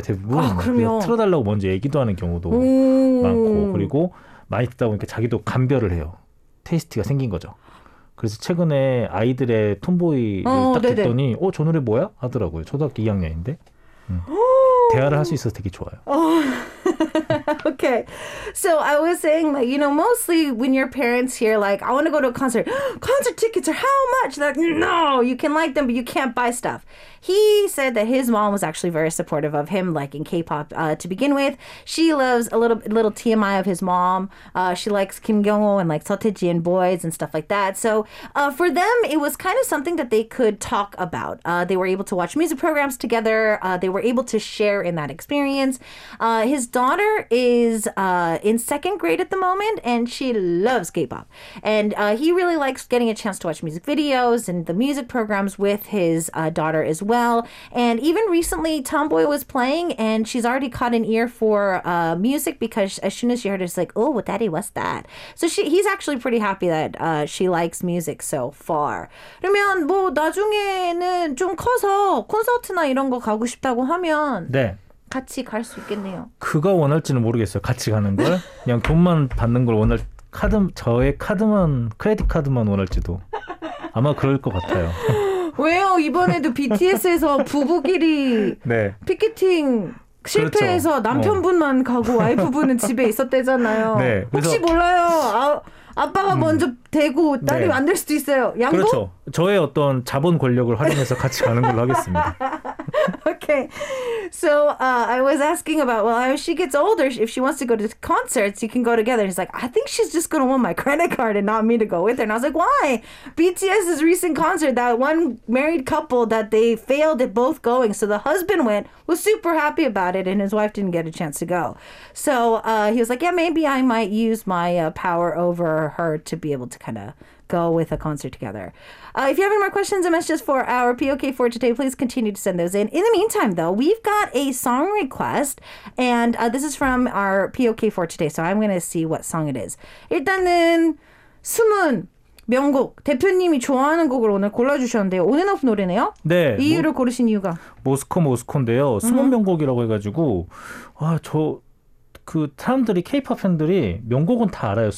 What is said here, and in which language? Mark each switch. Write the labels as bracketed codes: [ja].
[ko] 대부분 틀어달라고 먼저 얘기도 하는 경우도 많고 그리고 많이 듣다 보니까 자기도 감별을 해요. 테이스트가 생긴 거죠. 그래서 최근에 아이들의 톰보이를 듣더니 저 노래 뭐야? 하더라고요. 초등학교 2학년인데 대화를 할 수 있어서 되게 좋아요. [en] Okay. So I was saying, like, you know, mostly when your parents hear, like, I want to go to a concert. Concert tickets are how much? They're like, no, you can like them, but you can't buy stuff. He said that his mom was actually very supportive of him liking K-pop to begin with. She loves a little TMI of his mom. She likes Kim Kyung-ho and, like, Seo Tae-ji and boys and stuff like that. So for them, it was kind of something that they could talk about. They were able to watch music programs together. They were able to share in that experience. His daughter is in second grade at the moment, and she loves K-pop. And he really likes getting a chance to watch music videos and the music programs with his daughter as well. And even recently, Tomboy was playing, and she's already caught an ear for music, because as soon as she heard it, she's like, oh, what daddy, what's that? So he's actually pretty happy that she likes music so far. [ko] 그러면 뭐 나중에는 좀 커서 콘서트나 이런 거 가고 싶다고 하면 네. 같이 갈 수 있겠네요. 그거 원할지는 모르겠어요. 같이 가는 걸. 그냥 돈만 받는 걸 원할 카드 저의 카드만 크레딧 카드만 원할지도 아마 그럴 것 같아요. 왜요? 이번에도 BTS에서 부부끼리 네. 피켓팅 실패해서 그렇죠. 남편분만 가고 와이프분은 집에 있었대잖아요. 네, 그래서, 혹시 몰라요. 아빠가 먼저 되고 딸이 네. 안 될 수도 있어요. 양보? 그렇죠. 저의 어떤 자본 권력을 활용해서 같이 가는 걸로 하겠습니다. [en] Okay. So I was asking about, well, if she gets older, if she wants to go to concerts, you can go together. And he's like, I think she's just going to want my credit card and not me to go with her. And I was like, why? BTS's recent concert, that one married couple that they failed at both going. So the husband went, was super happy about it, and his wife didn't get a chance to go. So he was like, yeah, maybe I might use my power over her to be able to kind of go with a concert together. If you have any more questions and messages for our POK for today, please continue to send those in. In the meantime, though, we've got a song request, and this is from our POK for today, so I'm going to see what song it is. [ko] 일단은 숨은 명곡, 대표님이 좋아하는 곡을 오늘 골라주셨는데요. On and Off 노래네요? 네. 이 이유를 고르신 이유가? 모스코 모스코인데요. 숨은 명곡이라고 해가지고, 아, 저... 그 사람들이 K-pop 팬들이 명곡은 다 알아요.